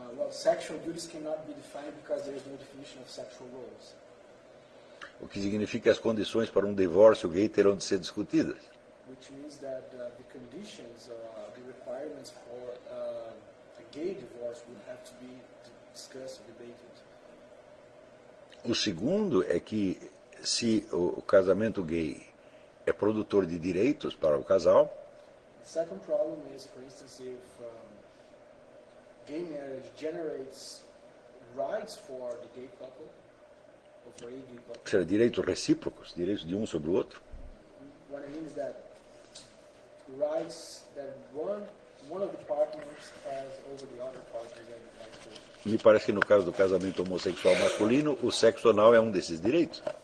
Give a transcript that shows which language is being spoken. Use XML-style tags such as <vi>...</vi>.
<en>Sexual duties cannot be defined because there is no definition of sexual roles.</en> <pt>O que significa que as condições para um divórcio gay terão de ser discutidas.</pt> <en>Which means that the conditions, the requirements for a gay divorce would have to be discussed, debated.</en> <pt>O segundo é que se o casamento gay é produtor de direitos para o casal.</pt> <en>The second problem is, for instance, if gay marriage generates rights for the gay couple, or for a gay couple.</en> <pt>Será direitos recíprocos, direitos de um sobre o outro.</pt> <en>What I mean is that rights that one of the partners has over the other partner.</en> <pt>Me parece que no caso do casamento homossexual masculino, o sexo anal é um desses direitos.</pt>